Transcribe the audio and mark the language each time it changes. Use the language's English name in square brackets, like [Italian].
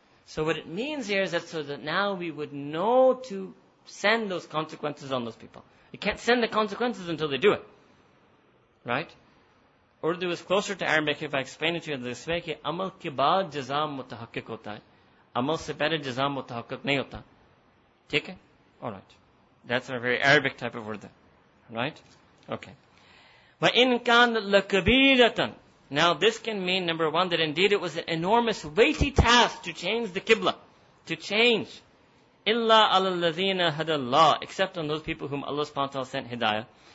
[English] So what it means here is that so that now we would know to send those consequences on those people. You can't send the consequences until they do it. Right? Urdu is closer to Arabic. If I explain it to you this way, [Urdu] عمل کے بعد جزم متحقق ہوتا ہے۔ عمل سے پہلے جزم متحقق نہیں ہوتا۔ ٹھیک ہے؟ [English] Alright. That's a very Arabic type of word. Right? Okay. [Arabic] Wa in kan lakabiratan. [English] Now this can mean, number one, that indeed it was an enormous weighty task to change the Qibla. To change. [Arabic] Illa ala alladhina hadallah. [English] Except on those people whom Allah subhanahu wa ta'ala sent hidayah.